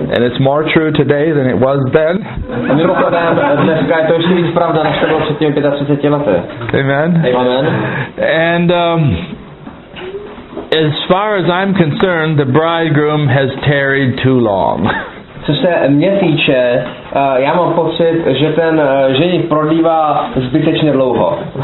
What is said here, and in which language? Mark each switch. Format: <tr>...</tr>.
<en>And it's more true today than it was then.</en> <cs>A mimochodem, dneska je to ještě víc pravda, než to bylo před těmi 35 lety.</cs> <en>Amen.</en> <cs>Amen.</cs> <en>And as far as I'm concerned, the bridegroom has tarried too long.</en> <cs>Co se mě týče, já mám pocit, že ten ženich prodlívá zbytečně dlouho.</cs>